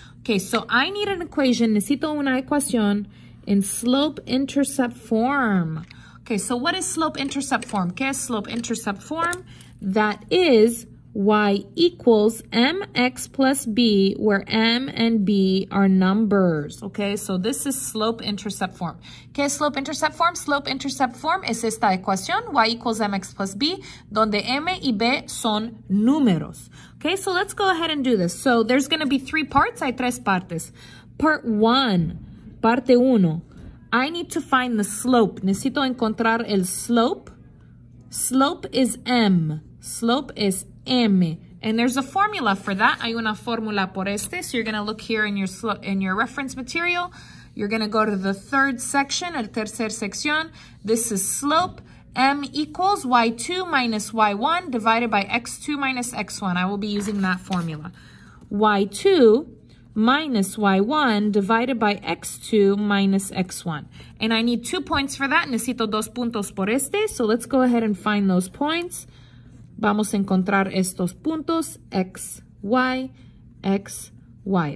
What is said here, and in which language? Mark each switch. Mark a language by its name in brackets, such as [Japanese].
[English] Okay, so I need an equation. [Spanish] Necesito una ecuación [English] in slope-intercept form. Okay, so what is slope-intercept form? [Spanish] ¿Qué es [English] slope-intercept form? That is y equals mx plus b, where m and b are numbers. Okay, so this is slope-intercept form. [Spanish] ¿Qué es [English] slope-intercept form? [Spanish] Slope-intercept form es esta ecuación, [English] y equals mx plus b, [Spanish] donde m y b son números. [English] Okay, so let's go ahead and do this. So there's going to be three parts. [Spanish] Hay tres partes. [English] Part one, [Spanish] parte uno. [English] I need to find the slope. [Spanish] Necesito encontrar el [English] slope. Slope is m. Slope is m. And there's a formula for that. [Spanish] Hay una fórmula por este. [English] So you're going to look here in your reference material. You're going to go to the third section, [Spanish] el tercer sección. [English] This is slope. M equals y2 minus y1 divided by x2 minus x1. I will be using that formula. y2 minus y1 divided by x2 minus x1. And I need two points for that. [Spanish] Necesito dos puntos por este. [English] So let's go ahead and find those points. [Spanish] Vamos a encontrar estos puntos, x, y, x, y.